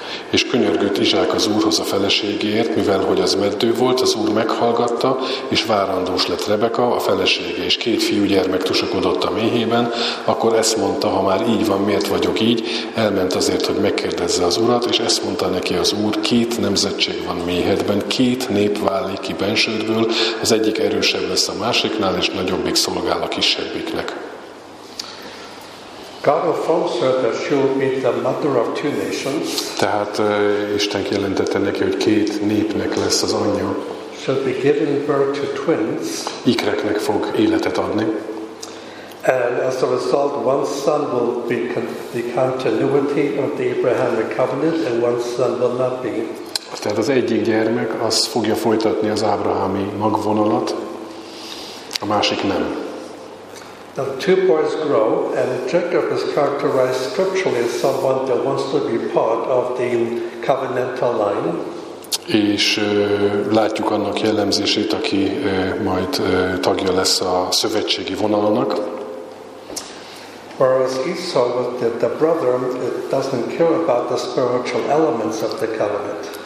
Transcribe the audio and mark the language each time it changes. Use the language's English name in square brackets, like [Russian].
[Hungarian] És könyörgött Izsák az úrhoz a feleségéért, mivel hogy az meddő volt, az úr meghallgatta, és várandós lett Rebeka, a felesége, és két fiú gyermek tusakodott a méhében, akkor ezt mondta, ha már így van, miért vagyok így, elment azért, hogy megkérdezze az urat, és ezt mondta neki az úr, két nemzetség van méhedben, két nép válik ki bensődből, az egyik erősebb lesz a másiknál, és nagyobbik szolgál a kisebbiknek. [English] God informs her that she will be the mother of two nations. [Hungarian] Tehát Isten jelentette neki, hogy két népnek lesz az anyja. [English] She'll be giving birth to twins. [Hungarian] Ikreknek fog életet adni. [English] And as a result, one son will be the continuity of the Abrahamic covenant, and one son will not be. [Hungarian] Tehát az egyik gyermek az fogja folytatni az ábrahámi magvonalat, a másik nem. [English] Now two boys grow, and Jacob is characterized scripturally as someone that wants to be part of the covenantal line. [Hungarian] És látjuk annak jellemzését, aki majd tagja lesz a szövetségi vonalnak. [English] Whereas Esau, the brother, it doesn't care about the spiritual elements of the covenant.